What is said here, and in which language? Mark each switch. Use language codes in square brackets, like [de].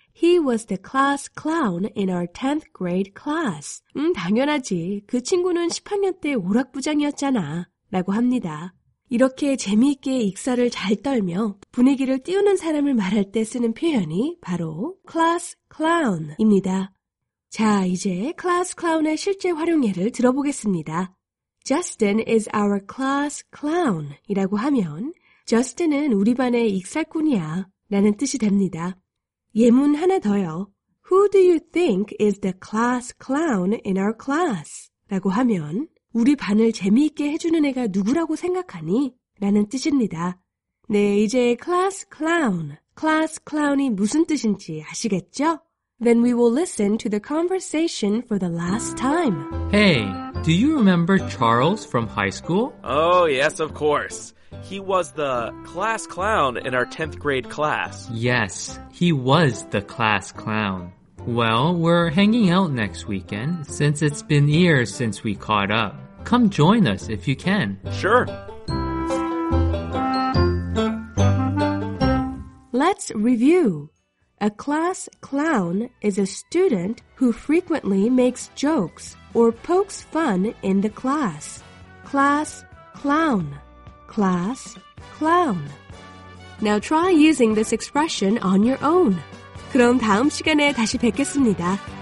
[en] He was the class clown in our 10th grade class. [ko] 당연하지. 그 친구는 10학년 때 오락부장이었잖아. 라고 합니다. 이렇게 재미있게 익사를 잘 떨며 분위기를 띄우는 사람을 말할 때 쓰는 표현이 바로 class clown입니다. 자, 이제 class clown의 실제 활용 예를 들어보겠습니다. [en] Justin is our class clown [ko] 이라고 하면 Justin은 우리 반의 익살꾼이야 라는 뜻이 됩니다. 예문 하나 더요. [en] Who do you think is the class clown in our class? [ko] 라고 하면 우리 반을 재미있게 해주는 애가 누구라고 생각하니? 라는 뜻입니다. 네, 이제 class clown. Class clown이 무슨 뜻인지 아시겠죠? [en] Then we will listen to the conversation for the last time. Hey, do you remember Charles from high school? Oh, yes, of course. He was the class clown in our 10th grade class. Yes, he was the class clown. Well, we're hanging out next weekend since it's been years since we caught up. Come join us if you can. Sure. Let's review. A class clown is a student who frequently makes jokes or pokes fun in the class. Class clown. Class clown. Now try using this expression on your own. [ko] 그럼 다음 시간에 다시 뵙겠습니다.